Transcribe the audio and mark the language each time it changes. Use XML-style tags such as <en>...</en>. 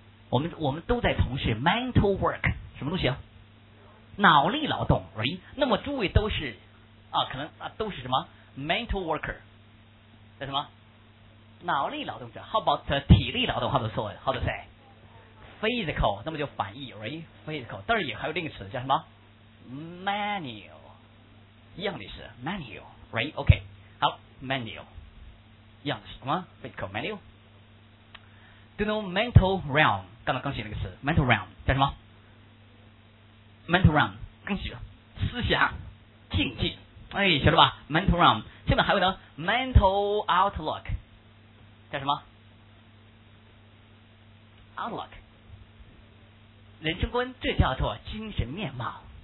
<zh>我们都在从事 mental work， 什么东西啊？脑力劳动 ，right？那么诸位都是啊，可能啊都是什么？</zh> <en>Mental worker， 叫什么？</en> <zh>脑力劳动者。</zh> <en>How about</en> <zh>体力劳动</zh> <en>？How to say？</en> <zh>Physical， 那么就反义 ，right？ Physical， 但是也还有另一个词叫什么 ？Manual， 一样的意思 ，manual， right？ OK， 好 ，manual， 一样的是什么 ？Physical manual。</zh> <en>Do you know mental realm？</en> <zh>刚才刚写那个词 ，mental realm 叫什么 ？Mental realm， 刚写思想境界。哎，学了吧 ？Mental realm， 现在还有呢 ，mental outlook， 叫什么 ？Outlook， 人生观，这叫做精神面貌。</zh>